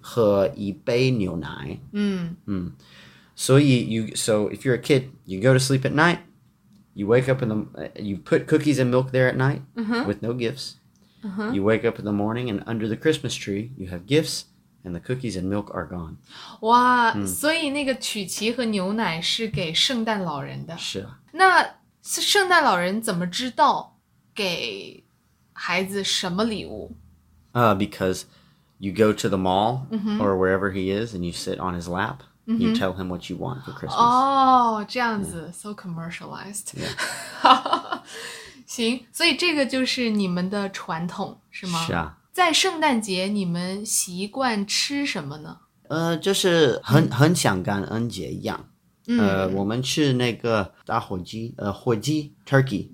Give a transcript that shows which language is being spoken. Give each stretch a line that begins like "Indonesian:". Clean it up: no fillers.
Chinese: 和一杯牛奶。嗯。
English: So so if you're a kid, you go to sleep at night, you wake up in the, you put cookies and milk there at night, uh-huh. with no gifts. Uh-huh. You wake up in the morning and under the Christmas tree, you have gifts and the cookies and milk are gone.
Chinese: 哇，所以那个曲奇和牛奶是给圣诞老人的。是啊。那圣诞老人怎么知道给孩子什么礼物？
English: Because you go to the mall, mm-hmm. or wherever he is, and you sit on his lap, mm-hmm. you tell him what you want for Christmas. Oh,
Chinese: 这样子
English: yeah. So commercialized. Yeah.
Chinese: 行，所以这个就是你们的传统，是吗？是啊。在圣诞节，你们习惯吃什么呢？就是很像感恩节一样。嗯、我们吃那个打火机，火鸡 turkey。